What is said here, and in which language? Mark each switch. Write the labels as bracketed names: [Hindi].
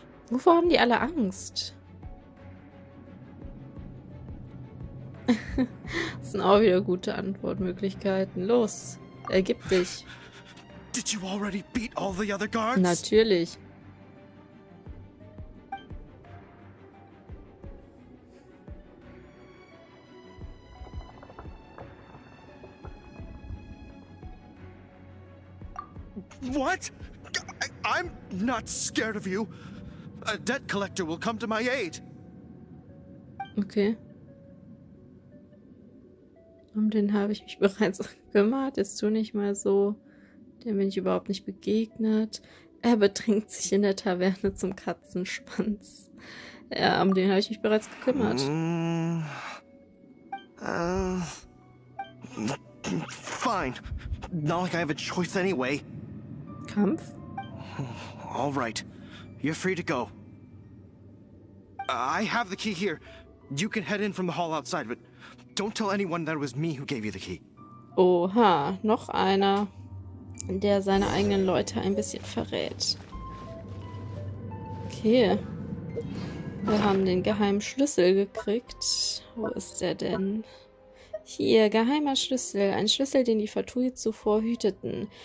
[German] Wovor haben die alle Angst? Das sind auch wieder gute Antwortmöglichkeiten. Los, ergib dich. [English] Did you already beat all the other guards? [German] Natürlich. [English] What? I'm not scared of you. A debt collector will come to my aid. Okay. [German] Um den habe ich mich bereits gekümmert. Ist du nicht mal so? Dem bin ich überhaupt nicht begegnet. Er betrinkt sich in der Taverne zum Katzenschwanz. Ja, um den habe ich mich bereits gekümmert. [English] Fine. Not like I have a choice anyway. [German] Kampf? [English] All right. You're free to go. I have the key here. You can head in from the hall outside, but don't tell anyone that it was me who gave you the key. [German] Oha, noch einer, der seine eigenen Leute ein bisschen verrät. Okay. Wir haben den geheimen Schlüssel gekriegt. Wo ist der denn? Hier, geheimer Schlüssel. Ein Schlüssel, den die Fatui zuvor hüteten.